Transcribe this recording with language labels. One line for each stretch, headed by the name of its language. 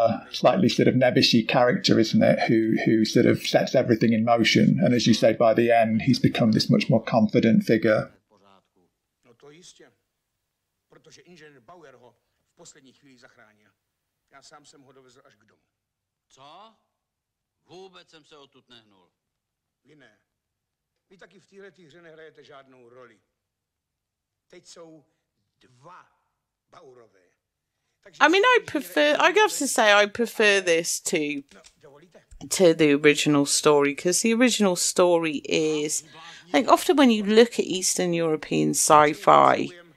English: slightly sort of nebbishy character, isn't it, who sort of sets everything in motion. And as you say, by the end, he's become this much more confident figure.
Czech: No to jistě, protože inženýr Bauer ho v poslední chvíli zachránil. Já sám jsem ho dovezl až k domu. Co? Vůbec jsem se odtud nehnul. Vy ne. Vy taky v téhle hře nehrajete žádnou roli. Teď jsou dva Bauerové.
English: I mean, I prefer this to the original story, because the original story is, like, often when you look at Eastern European sci-fi,